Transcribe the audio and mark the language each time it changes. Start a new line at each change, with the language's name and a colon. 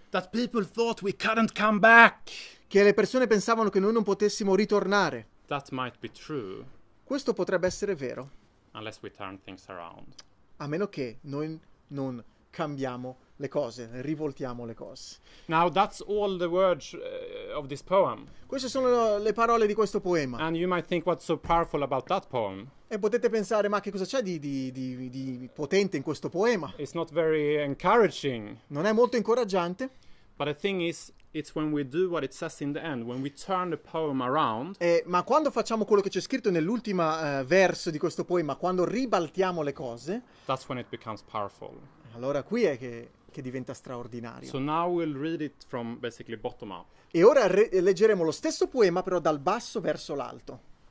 English: that people thought we couldn't come back.
Italian: Che le persone pensavano che noi non potessimo ritornare.
English: That might be true.
Italian: Questo potrebbe essere vero.
English: Unless we turn things around.
Italian: A meno che noi non cambiamo le cose, rivoltiamo le cose.
English: Now that's all the words of this poem.
Italian: Queste sono le parole di questo poema.
English: And you might think what's so powerful about that poem.
Italian: E potete pensare, ma che cosa c'è di potente in questo poema?
English: It's not very encouraging.
Italian: Non è molto incoraggiante.
English: But the thing is, it's when we do what it says in the end, when we turn the poem around.
Italian: Ma quando facciamo quello che c'è scritto nell'ultimo verso di questo poema, quando ribaltiamo le cose,
English: that's when it becomes powerful.
Italian: Allora qui è che diventa straordinario.
English: So now we'll read it from basically bottom up.
Italian: E ora leggeremo lo stesso poema, però dal basso verso l'alto.